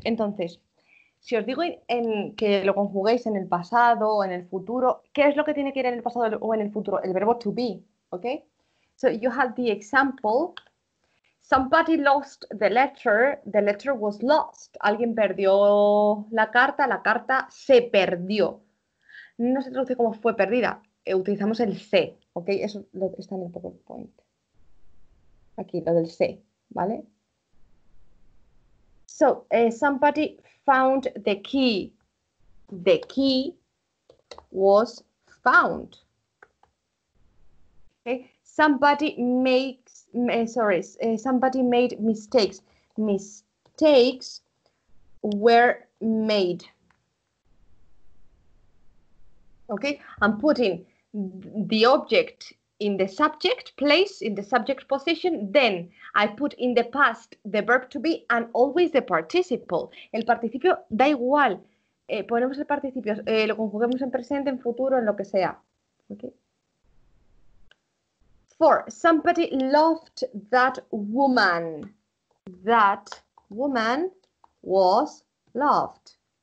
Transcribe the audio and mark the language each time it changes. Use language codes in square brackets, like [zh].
[es] Entonces, si os digo en que lo conjuguéis en el pasado o en el futuro, ¿qué es lo que tiene que ir en el pasado o en el futuro? El verbo to be, okay? [en] So you have the example, somebody lost the letter was lost. [es] Alguien perdió la carta se perdió. No se traduce como fue perdida, utilizamos el se, okay? Eso lo, está en el PowerPoint. Aquí, lo del se, ¿vale? [en] So, somebody found the key. The key was found. Okay. Somebody makes, sorry, somebody made mistakes. Mistakes were made. Okay, I'm putting the object in the subject place, in the subject position, then I put in the past the verb to be and always the participle. [es] El participio da igual. Ponemos el participio, lo conjuguemos en presente, en futuro, en lo que sea. [en] Okay. Four, somebody loved that woman. That woman was loved.